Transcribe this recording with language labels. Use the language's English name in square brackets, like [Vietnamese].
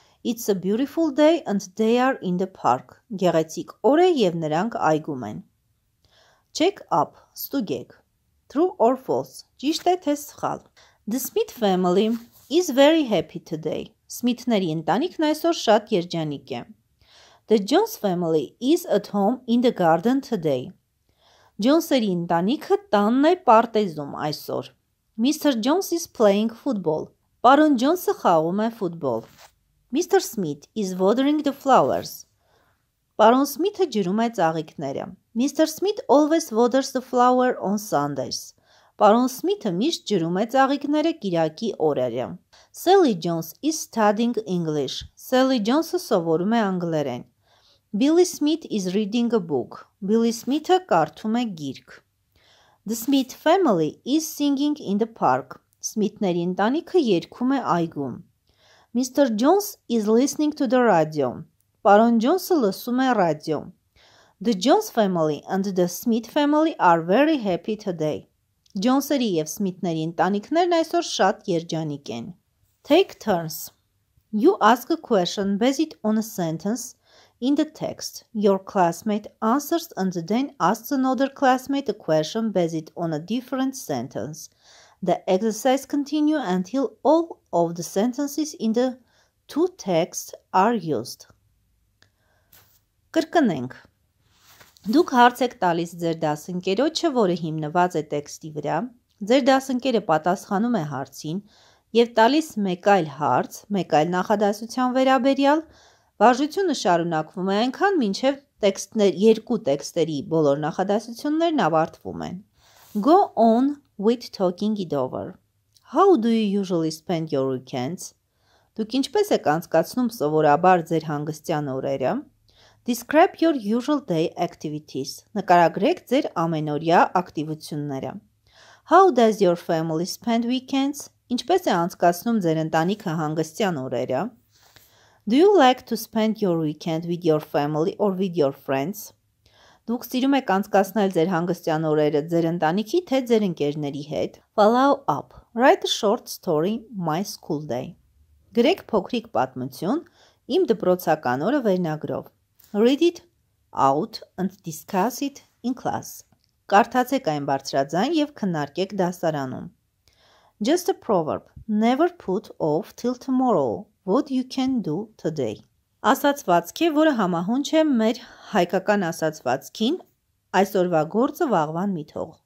[English] It's a beautiful day and they are in the park. [Armenian] Գեղեցիկ օր է եւ նրանք այգում են. [English] Check up. [Armenian] Ստուգեք. [English] True or false. [Armenian] Ճիշտ է թե սխալ. [English] The Smith family is very happy today. [Armenian] Սմիթների ընտանիքն այսօր շատ երջանիկ է. [English] The Jones family is at home in the garden today. [Armenian] Ջոնսերի ընտանիքը տանն է պարտեզում այսօր. Mr. [English] Jones is playing football. [Armenian] Պարոն Ջոնսը խաղում է ֆուտբոլ. [English] Mr. Smith is watering the flowers. [Armenian] Պարոն Սմիթը ջրում է ծաղիկները. [English] Mr. Smith always waters the flower on Sundays. [Armenian] Պարոն Սմիթը միշտ ջրում է ծաղիկները կիրակի օրերը. [English] Sally Jones is studying English. [Armenian] Sally Jones-ը սովորում է անգլերեն. [English] Billy Smith is reading a book. [Armenian] Billy Smith-ը կարդում է գիրք. [English] The Smith family is singing in the park. [Armenian] Smith-ների ընտանիքը երգում է այգում. Mr. [English] Jones is listening to the radio. [Armenian] Պարոն Ջոնսը լսում է ռադիո. [English] The Jones family and the Smith family are very happy today. [Armenian] Ջոնսերի եւ Սմիթների ընտանիքներն այսօր շատ երջանիկ են. [English] Take turns. You ask a question based on a sentence in the text. Your classmate answers and then asks another classmate a question based on a different sentence. The exercise continues until all of the sentences in the two texts are used. [Armenian] Կրկնենք. Դուք հարց եք տալիս ձեր դասընկերոջը, որը հիմնված է տեքստի վրա։ Ձեր դասընկերը պատասխանում է հարցին եւ տալիս մեկ այլ հարց, մեկ այլ նախադասության վերաբերյալ։ Վարժությունը շարունակվում է այնքան, մինչեւ տեքստներ երկու տեքստերի բոլոր նախադասություններն ավարտվում են։ [English] Go on with talking it over. How do you usually spend your weekends? [Armenian] Դուք ինչպես եք անցկացնում սովորաբար ձեր հանգստյան օրերը? [English] Describe your usual day activities. [Armenian] Նկարագրեք ձեր ամենօրյա ակտիվությունները. [English] How does your family spend weekends? [Armenian] Ինչպես է անցկացնում ձեր ընտանիքը հանգստյան օրերը? [English] Do you like to spend your weekend with your family or with your friends? [Armenian] Դուք սիրում եք անցկացնել ձեր հանգստյան օրերը ձեր ընտանիքի թե ձեր ընկերների հետ? [English] Follow up. Write a short story my school day. [Armenian] Գրեք փոքրիկ պատմություն իմ դպրոցական օրը վերնագրով. [English] Read it out and discuss it in class. [Armenian] Կարդացեք այն բարձրաձայն և քննարկեք դասարանում. [English] Just a proverb. Never put off till tomorrow what you can do today. [Armenian] Ասացվածք է, որը համահունչ է մեր հայկական ասացվածքին, այսօրվա գործը վաղվան մի թող։